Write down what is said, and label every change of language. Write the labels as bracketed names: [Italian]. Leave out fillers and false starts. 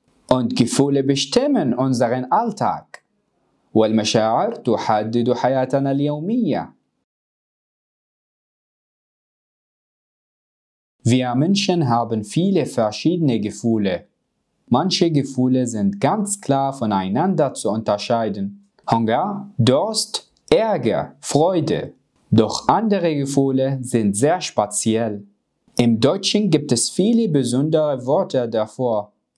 [German] Und Gefühle bestimmen unseren Alltag. [Arabic] والمشاعر تحدد حياتنا اليومية. [German] Wir Menschen haben viele verschiedene Gefühle. Manche Gefühle sind ganz klar voneinander zu unterscheiden. Hunger, Durst, Ärger, Freude. Doch andere Gefühle sind sehr speziell. Im Deutschen gibt es viele besondere Worte davor.